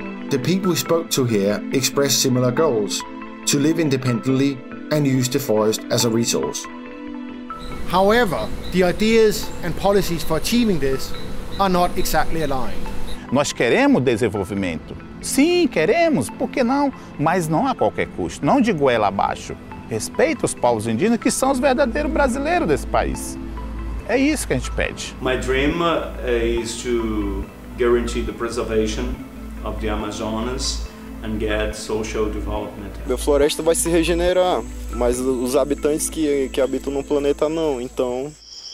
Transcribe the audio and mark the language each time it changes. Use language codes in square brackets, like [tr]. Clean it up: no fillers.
[en] The people we spoke to here expressed similar goals: to live independently and use the forest as a resource. However, the ideas and policies for achieving this are not exactly aligned. [pt] Nós queremos desenvolvimento. Sim, queremos, por que não? Mas não a qualquer custo, não de goela abaixo. Respeito os povos indígenas, que são os verdadeiros brasileiros desse país. É isso que a gente pede. [en] My dream is to guarantee the preservation of the Amazonas and get social development. [pt] Minha floresta vai se regenerar, mas os habitantes que habitam no planeta não, então